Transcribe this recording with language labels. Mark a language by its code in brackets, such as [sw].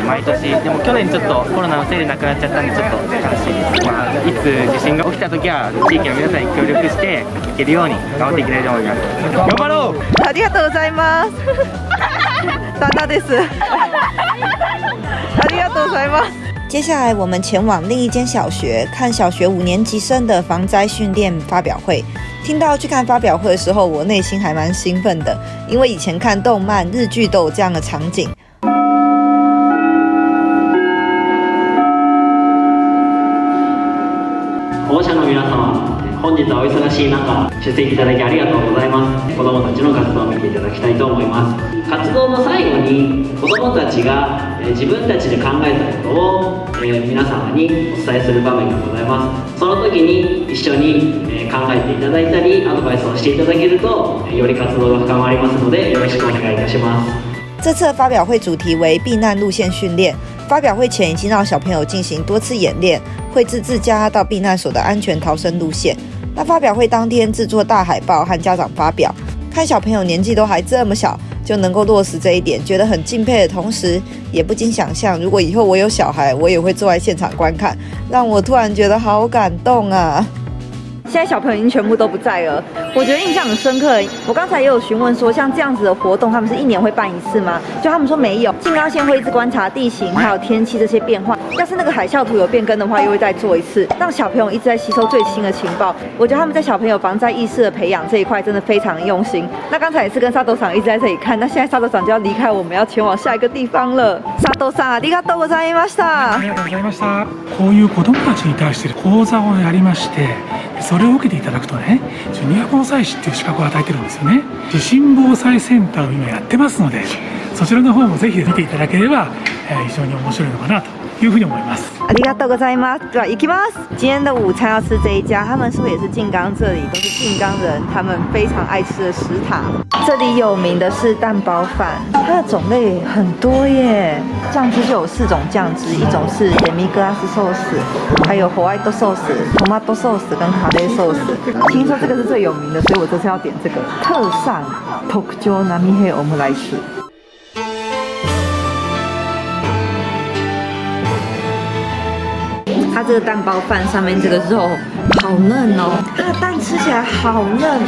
[ja] 毎年でも去年ちょっとコロナのせいでなくなっちゃったんでちょっと悲しいです。まあいつ地震が起きた時は地域の皆さんに協力して行けるように頑張っていきたいと思います。頑張ろう。ありがとうございます。大大です。ありがとうございます。 [zh] 接下来我们前往另一间小学看小学五年级生的防灾训练发表会。听到去看发表会的时候，我内心还蛮兴奋的，因为以前看动漫日剧都有这样的场景。 [ja] 保護者の皆様、本日はお忙しい中出席いただきありがとうございます。子どもたちの活動を見ていただきたいと思います。活動の最後に子どもたちが自分たちで考えたことを皆様にお伝えする場面がございます。その時に一緒に考えていただいたりアドバイスをしていただけるとより活動が深まりますので、よろしくお願いいたします。 [zh] 这次发表会主题为避难路线训练，发表会前已经让小朋友进行多次演练，绘制自家到避难所的安全逃生路线。那发表会当天制作大海报和家长发表，看小朋友年纪都还这么小就能够落实这一点，觉得很敬佩的同时，也不禁想象如果以后我有小孩，我也会坐在现场观看，让我突然觉得好感动啊。现在小朋友已经全部都不在了，我觉得印象很深刻。我刚才也有询问说，像这样子的活动，他们是一年会办一次吗？就他们说没有，静冈县会一直观察地形还有天气这些变化，要是那个海啸图有变更的话，又会再做一次，让小朋友一直在吸收最新的情报。我觉得他们在小朋友防灾意识的培养这一块真的非常用心。那刚才也是跟沙斗さん一直在这里看，那现在沙斗さん就要离开，我们要前往下一个地方了。 [ja] 沙斗さん、ありがとうございました。ありがとうございました。こういう子供たちに対して講座をやりまして。それを受けていただくとね、ジュニア防災士っていう資格を与えてるんですよね。地震防災センターを今やってますので、そちらの方もぜひ見ていただければ、非常に面白いのかなとというふうに思います。ありがとうございます。では行きます。 [zh] 今天的午餐要吃这一家，他们是不是也是静冈这里？都是静冈人，他们非常爱吃的食堂。这里有名的是蛋包饭，它的种类很多耶。酱汁就有四种酱汁，一种是デミグラスソース，还有ホワイトソース、トマトソース跟カレーソース。听说这个是最有名的，所以我这次要点这个特上特上ナミヘオムライス。它这个蛋包饭上面这个肉好嫩哦，它的蛋吃起来好嫩。